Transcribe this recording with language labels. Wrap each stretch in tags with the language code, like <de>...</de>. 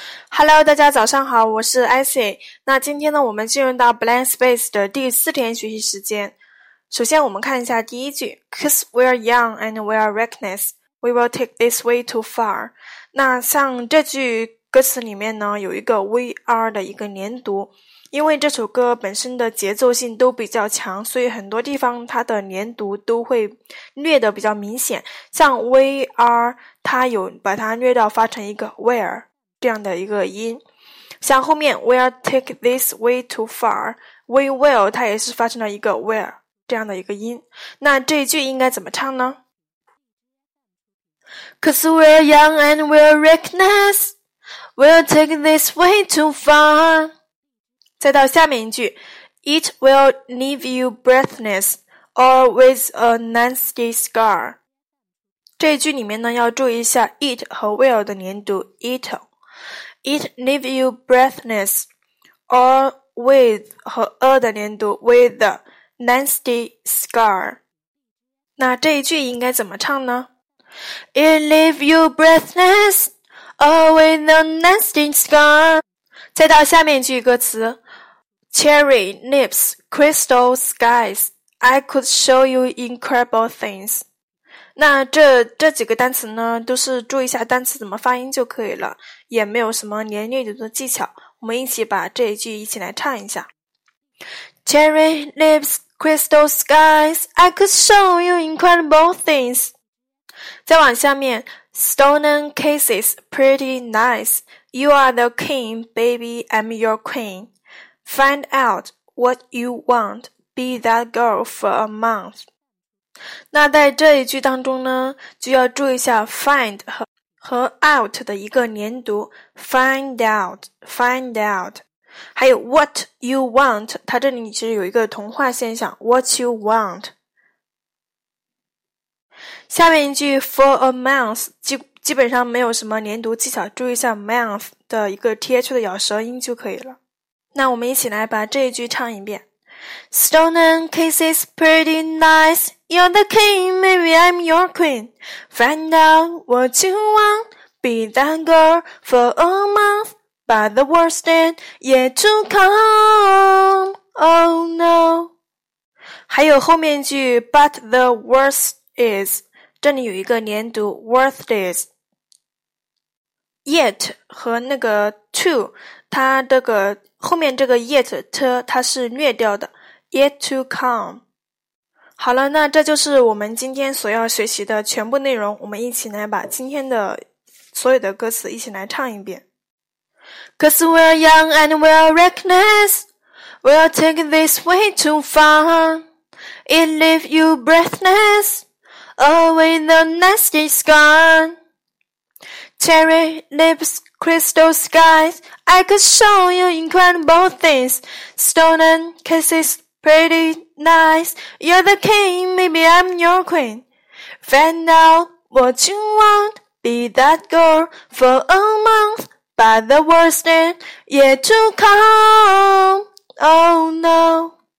<zh>Hello， 大家早上好，我是 Icy。那今天呢，我们进入到 Blank Space 的第四天学习时间。首先我们看一下第一句，</zh> <en>Cause we are young and we are reckless, we will take this way too far。</en> <zh>那像这句歌词里面呢，有一个 we are 的一个连读，因为这首歌本身的节奏性都比较强，所以很多地方它的连读都会略得比较明显。像 we are， 它有把它略到发成一个 where这样的一个音，像后面</zh> <en>we'll take this way too far，</en> <zh>we will 它也是发生了一个 where 这样的一个音。那这一句应该怎么唱呢？</zh> <en>Cause we're young and we're reckless, we'll take this way too far。</en> <zh>再到下面一句，</zh> <en>It will leave you breathless or with a nasty scar。</en> <zh>这一句里面呢，要注意一下 it 和 will 的连读，</zh> <en>It leave you breathless or with</en> <zh>和 a 的连读，</zh> <en>with a nasty scar。</en> <zh>那这一句应该怎么唱呢？</zh> <en>It leave you breathless or with a nasty scar。</en> <zh>再到下面一句歌词，</zh> <en>Cherry lips, crystal skies, I could show you incredible things。</en> <zh>那这几个单词呢，都是注意一下单词怎么发音就可以了，也没有什么连念读的技巧。我们一起把这一句一起来唱一下。</zh> <en>Cherry lips, crystal skies, I could show you incredible things。</en> <zh>再往下面，</zh> <en>Stolen kisses, pretty nice, you are the king, baby, I'm your queen, find out what you want, be that girl for a month。</en> <zh>那在这一句当中呢，就要注意一下 find 和 out 的一个连读， find out， 还有</zh> <en>what you want，</en> <zh>它这里其实有一个同化现象， what you want。下面一句</zh> <en>for a month，</en> <zh>基本上没有什么连读技巧，注意一下 month 的一个 th 的咬舌音就可以了。那我们一起来把这一句唱一遍。</zh> <en>Stolen kisses, pretty nice, you're the king, maybe I'm your queen, find out what you want, be that girl for a month, but the worst is yet to come, oh no。</en> <zh>还有后面句</zh> <en>but the worst is，</en> <zh>这里有一个连读 worst is， yet 和那个 to， 它这个后面这个 yet 它是略掉的</zh> <en>yet to come。</en> <zh>好了，那这就是我们今天所要学习的全部内容，我们一起来把今天的所有的歌词一起来唱一遍。</zh> <en>Cause we're young and we're reckless, we'll take this way too far, it leaves you breathless, or with a nasty scar. Cherry lips, crystal skies, I could show you incredible things, stolen kisses, pretty nice, you're the king, maybe I'm your queen, find out what you want, be that girl for a month, but the worst is yet to come, oh no.</en>